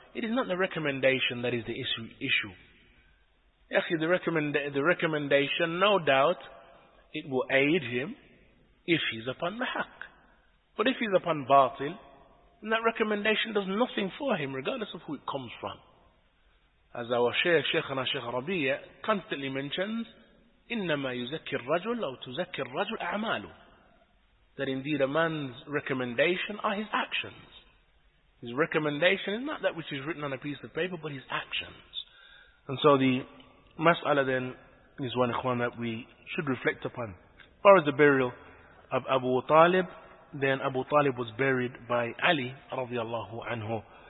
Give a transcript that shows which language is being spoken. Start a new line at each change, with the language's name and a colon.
English: It is not the recommendation that is the issue. Actually, the recommendation, no doubt, it will aid him if he's upon the haq. But if he's upon batil, then that recommendation does nothing for him, regardless of who it comes from. As our Sheikh Rabi'a constantly mentions,
Arabic: إِنَّمَا يُزَكِّ الرَّجُلْ أَوْ تُزَكِّ الرَّجُلْ أَعْمَالُ.
English: That indeed a man's recommendation are his actions. His recommendation is not that which is written on a piece of paper, but his actions. And so the mas'ala then is one, ikhwan, that we should reflect upon. As far as the burial of Abu Talib, then Abu Talib was buried by Ali, radiallahu anhu.